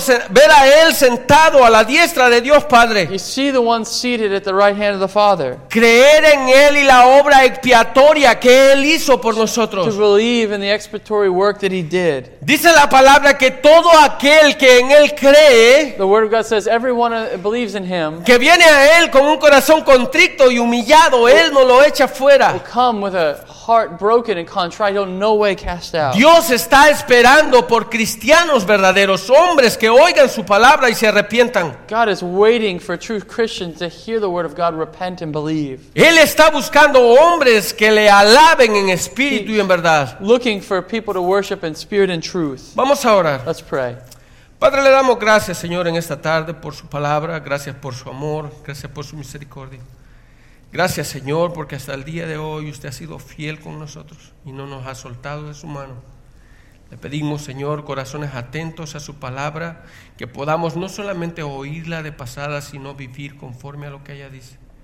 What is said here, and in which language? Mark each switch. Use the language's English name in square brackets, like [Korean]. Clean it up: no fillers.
[Spanish] Ver a él sentado a la diestra de Dios Padre. [English] You see the one seated at the right hand of the Father. [Spanish] Creer en él y la obra expiatoria que él hizo por nosotros. [English] To believe in the expiatory work that he did. [Spanish] Dice la palabra que todo aquel que en él cree. [English] The word of God says everyone believes in him. [Spanish] Que viene a él con un corazón contrito y humillado, él no lo echa fuera. [English] Will come with a heart broken and contrite, he'll no way cast out. [Spanish] Dios está esperando por cristianos verdaderos, hombres que oigan su palabra y se arrepientan. [English] God is waiting for true Christians to hear the word of God, repent and believe. [Spanish] Él está buscando hombres que le alaben en espíritu y en verdad. [English] Looking for people to worship in spirit and truth. [Spanish] Vamos a orar. [English] Let's pray. [Spanish] Padre, le damos gracias, Señor, en esta tarde por su palabra, gracias por su amor, gracias por su misericordia. Gracias, Señor, porque hasta el día de hoy usted ha sido fiel con nosotros y no nos ha soltado de su mano. Le pedimos, Señor, corazones atentos a su palabra, que podamos no solamente oírla de pasada, sino vivir conforme a lo que ella dice.